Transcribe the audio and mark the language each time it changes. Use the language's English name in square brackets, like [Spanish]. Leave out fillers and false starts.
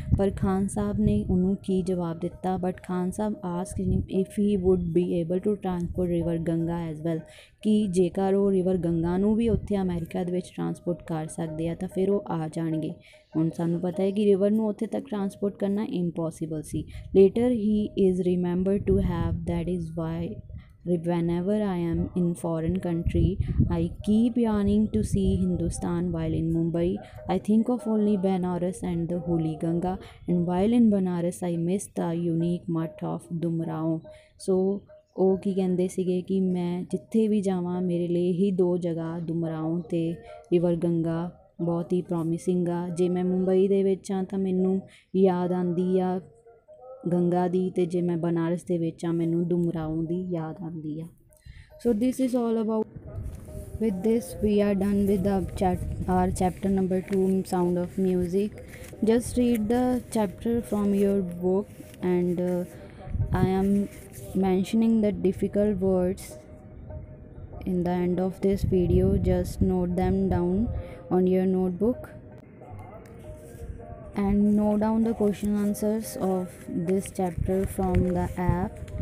[Punjabi] ਪਰ ਖਾਨ ਸਾਹਿਬ ਨੇ ਉਹਨੂੰ ਕੀ ਜਵਾਬ ਦਿੱਤਾ, [English] but Khan Sahib ask if he would be able to transport river Ganga as well, [Punjabi] ਕਿ ਜੇਕਰ ਉਹ ਰਿਵਰ ਗੰਗਾ ਨੂੰ ਵੀ ਉੱਥੇ ਅਮੈਰੀਕਾ ਦੇ ਵਿੱਚ ਟਰਾਂਸਪੋਰਟ ਕਰ ਸਕਦੇ ਆ ਤਾਂ ਫਿਰ ਉਹ ਆ ਜਾਣਗੇ। ਹੁਣ ਸਾਨੂੰ ਪਤਾ ਹੈ ਕਿ ਰਿਵਰ ਨੂੰ ਉੱਥੇ ਤੱਕ ਟਰਾਂਸਪੋਰਟ ਕਰਨਾ impossible ਸੀ। [English] Later he is remember to have that is why whenever I am in foreign country, I keep yearning to see Hindustan while in Mumbai. I think of only Banaras and the Holy Ganga, and while in Banaras, I miss the unique mutt of Dumrao. [Punjabi] So, ਉਹ ਕੀ ਕਹਿੰਦੇ ਸੀਗੇ ਕਿ ਮੈਂ ਜਿੱਥੇ ਵੀ ਜਾਵਾਂ ਮੇਰੇ ਲਈ ਇਹੀ ਦੋ ਜਗ੍ਹਾ ਦੁਮਰਾਓ ਅਤੇ ਰਿਵਰ ਗੰਗਾ ਬਹੁਤ ਹੀ ਪ੍ਰੋਮਿਸਿੰਗ ਆ। ਜੇ ਮੈਂ ਮੁੰਬਈ ਦੇ ਵਿੱਚ ਹਾਂ ਤਾਂ ਮੈਨੂੰ ਯਾਦ ਆਉਂਦੀ ਆ ਗੰਗਾ ਦੀ, ਅਤੇ ਜੇ ਮੈਂ ਬਨਾਰਸ ਦੇ ਵਿੱਚ ਹਾਂ ਮੈਨੂੰ ਦੁਮਰਾਓ ਦੀ ਯਾਦ ਆਉਂਦੀ ਆ। [English] So this is all about with this we are done with our chapter number 2 sound of music. Just read the chapter from your book and I am mentioning the difficult words in the end of this video, just note them down on your notebook and note down the question answers of this chapter from the app.